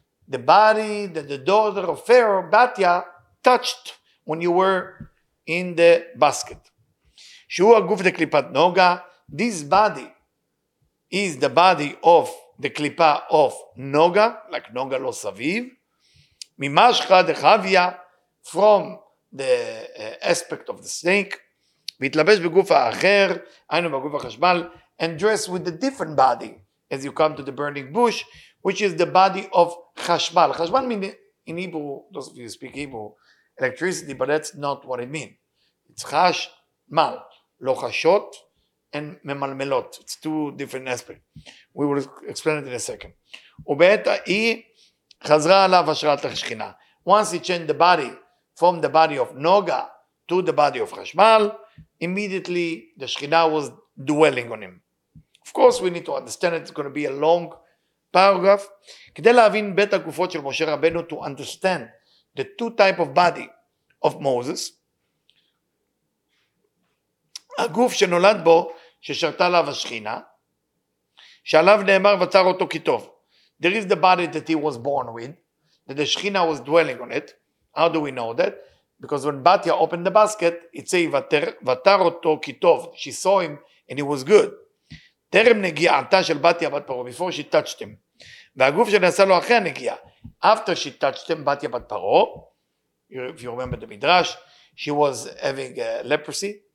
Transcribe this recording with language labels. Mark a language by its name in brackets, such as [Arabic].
[English] The body that the daughter of Pharaoh, Batya, touched when you were in the basket. [Hebrew] שהוא הגוף דקליפת נוגה. [English] This body is the body of the קליפה of נוגה, like [Hebrew] נוגה לא סביב. ממשך דחוויה, [English] from the aspect of the snake, [Hebrew] והתלבש בגוף האחר, היינו בגוף החשמל, [English] and dress with a different body, as you come to the burning bush, which is the body of חשמל. חשמל means, in Hebrew, those of you who speak Hebrew, electricity, but that's not what it means. It's חשמל, לא חשות, and ממלמלות. It's two different aspects. We will explain it in a second. [Hebrew] ובעת האי, חזרה עליו השראת השכינה. [English] Once he changed the body from the body of Noga to the body of חשמל, immediately the שכינה was dwelling on him. Of course we need to understand it's going to be a long paragraph. [Hebrew] כדי להבין בית הגופות של משה רבנו, [English] to understand the two type of body of Moses, [Hebrew] הגוף שנולד בו ששרתה עליו השכינה, שעליו נאמר וצר אותו כתוב. [English] There is the body that he was born with, that the Shekhinah was dwelling on it. How do we know that? Because when Batya opened the basket, it says, [Hebrew] "Vatar oto kitov." [English] She saw him and he was good. [Hebrew] Terem negi'ata shel Batya bat paro, [English] before she touched him. Ve'aguf she'nasa lo achar negi'ah. After she touched him, Batya bat paro, if you remember the Midrash, she was having leprosy.